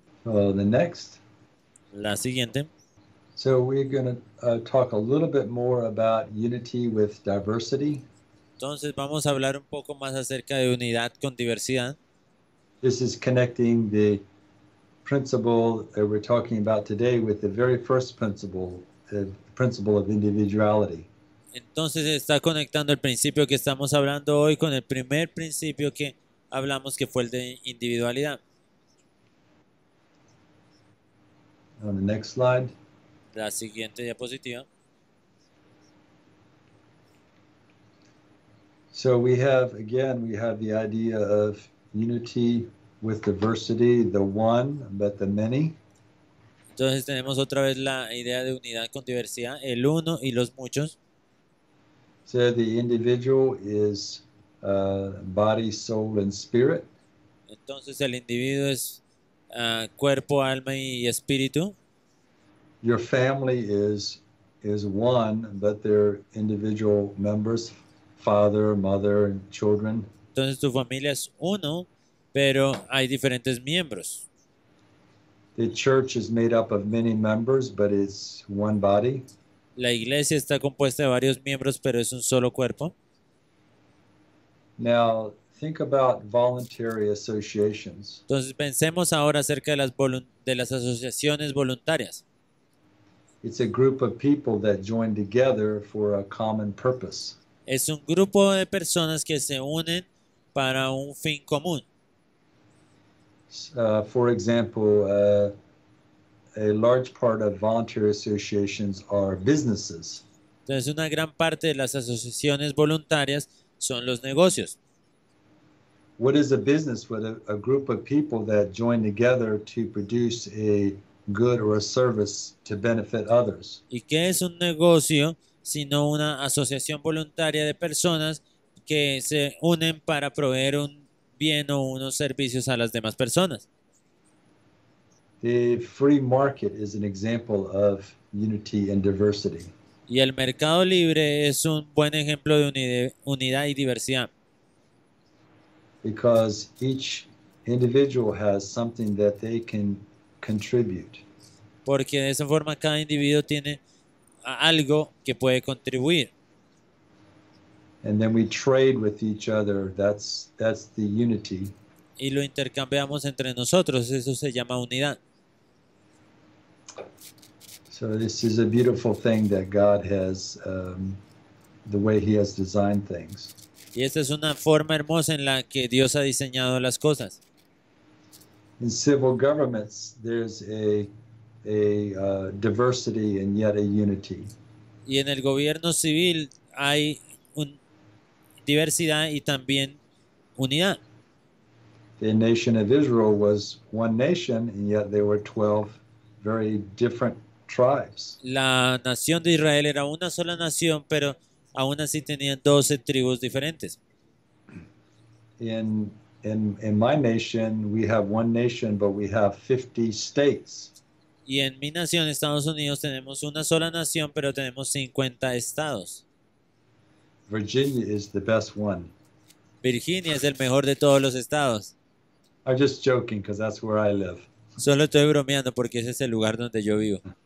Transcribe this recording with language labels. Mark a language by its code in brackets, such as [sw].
[en] The next. [es] La siguiente. [en] So we're going to talk a little bit more about unity with diversity. [es] Entonces vamos a hablar un poco más acerca de unidad con diversidad. [en] This is connecting the principle that we're talking about today with the very first principle, the principle of individuality. [es] Entonces está conectando el principio que estamos hablando hoy con el primer principio que hablamos, que fue el de individualidad. [en] on the next slide. [es] La siguiente diapositiva. [en] So we have, again, we have the idea of unity with diversity, the one, but the many. [es] Entonces tenemos otra vez la idea de unidad con diversidad, el uno y los muchos. [en] So the individual is body, soul, and spirit. [es] Entonces el individuo es cuerpo, alma y espíritu. [en] Your family is one, but they're individual members, father, mother, and children. [es] Entonces tu familia es uno, pero hay diferentes miembros. [en] The church is made up of many members, but it's one body. [es] La iglesia está compuesta de varios miembros, pero es un solo cuerpo. [en] Now, think about voluntary associations. [es] Entonces, pensemos ahora acerca de las asociaciones voluntarias. [en] It's a group of people that join together for a common purpose. [es] Es un grupo de personas que se unen para un fin común. [en] For example, a large part of voluntary associations are businesses. [es] Entonces, una gran parte de las asociaciones voluntarias son los negocios. [en] What is a business with a group of people that join together to produce a good or a service to benefit others? [es] ¿Y qué es un negocio sino una asociación voluntaria de personas que se unen para proveer un bien o unos servicios a las demás personas? [en] The free market is an example of unity and diversity. [es] Y el mercado libre es un buen ejemplo de unidad y diversidad. [en] Because each individual has something that they can contribute. [es] Porque de esa forma cada individuo tiene algo que puede contribuir. [en] And then we trade with each other. That's the unity. [es] Y lo intercambiamos entre nosotros. Eso se llama unidad. [en] So this is a beautiful thing that God has, the way He has designed things. [es] Y esta es una forma hermosa en la que Dios ha diseñado las cosas. [en] In civil governments, there's a diversity and yet a unity. [es] Y en el gobierno civil hay diversidad y también unidad. [en] The nation of Israel was one nation, and yet there were 12 very different tribes. [es] La nación de Israel era una sola nación, pero aún así tenían 12 tribus diferentes. [en] In my nation, we have one nation, but we have 50 states. [es] Y en mi nación, Estados Unidos, tenemos una sola nación, pero tenemos 50 estados. [en] Virginia is the best one. [es] Virginia es el mejor de todos los estados. [en] I'm just joking because that's where I live. [es] Solo estoy bromeando porque ese es el lugar donde yo vivo.